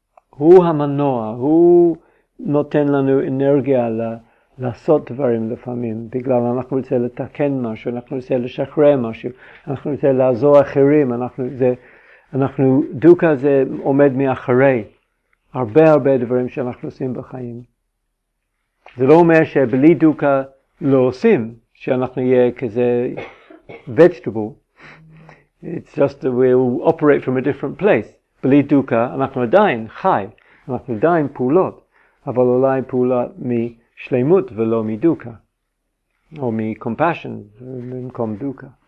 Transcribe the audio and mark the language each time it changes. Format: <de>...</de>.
<he>הוא המנוע, הוא נותן לנו אנרגיה לעשות דברים לפעמים, בגלל אנחנו רוצים לתקן משהו, אנחנו רוצים לשחרר משהו, אנחנו רוצים לעזור אחרים, אנחנו דוקה זה עומד מאחרי הרבה הרבה דברים שאנחנו עושים בחיים. זה לא אומר שבלי דוקה לא עושים, שאנחנו יהיה כזה vegetable.</he> <en>It's just that we will operate from a different place.</en> <he>בלי דוקה, אנחנו עדיין חי, אנחנו עדיין פעולות, אבל אולי פעולה משלימות ולא מדוקה, או מקומפשן במקום דוקה.</he>